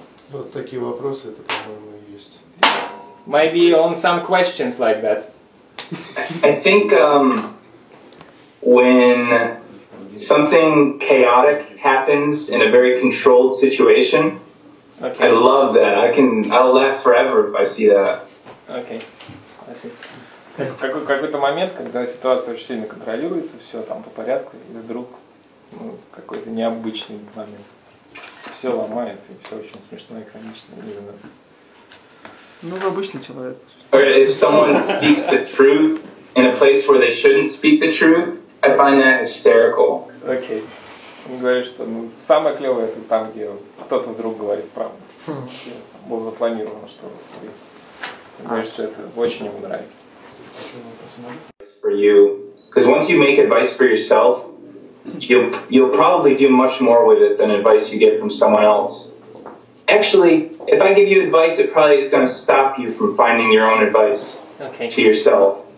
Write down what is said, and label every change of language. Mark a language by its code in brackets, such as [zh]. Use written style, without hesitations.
[ru] Вот такие вопросы, это, по-моему, есть. [en] Maybe on some questions like that. I think when something chaotic happens in a very controlled situation. Okay. I love that. I'll laugh forever if I see that. Okay. I see. [ru] Какой-то момент, когда ситуация очень сильно контролируется, все там по порядку, и вдруг какой-то необычный момент. Все ломается, и все очень смешно и комично. Именно. Ну, вы обычный человек. [en] Okay, if someone speaks the truth in a place where they shouldn't speak the truth, I find that hysterical. Okay. [ru] Он говорит, что самое клевое это там, где кто-то вдруг говорит правду. Было запланировано, что он говорит, что это очень ему нравится. [en] for you, because once you make advice for yourself, you'll probably do much more with it than advice you get from someone else. Actually, if I give you advice, it probably is going to stop you from finding your own advice to yourself.